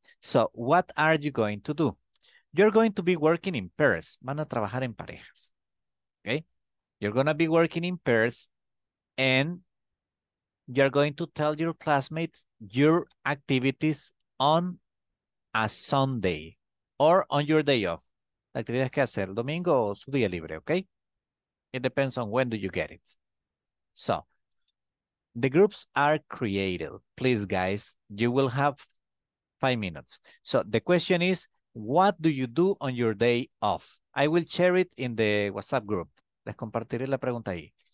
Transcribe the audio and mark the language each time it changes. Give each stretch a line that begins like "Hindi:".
English: So, what are you going to do? You're going to be working in pairs.
Spanish: Van a trabajar en parejas,
English: okay? You're going to be working in pairs, and you're going to tell your classmates your activities on a Sunday or on your day off.
Spanish: La actividad que hacer, domingo o su día libre, okay?
English: It depends on when do you get it. So, the groups are created. Please, guys, you will have 5 minutes. So the question is, what do you do on your day off? I will share it in the WhatsApp group.
Spanish: Les compartiré la pregunta ahí.